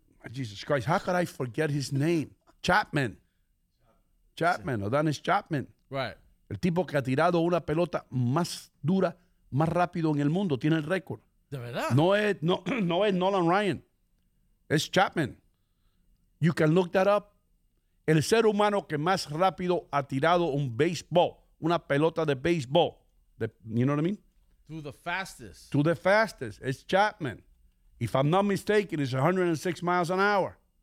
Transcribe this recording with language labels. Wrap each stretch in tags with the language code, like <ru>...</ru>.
<en>Jesus Christ, how could I forget his name?</en> <es>Chapman. Chapman, sí. Odanes Chapman.</es> <en>Right.</en> <es>El tipo que ha tirado una pelota más dura, más rápido en el mundo, tiene el récord. ¿De verdad? No es Nolan Ryan, es Chapman.</es> <en>You can look that up.</en> <es>El ser humano que más rápido ha tirado un baseball, una pelota de baseball.</es> <en>You know what I mean? To the fastest. To the fastest,</en> <es>es Chapman.</es> <en>If I'm not mistaken, it's 106 miles an hour.</en>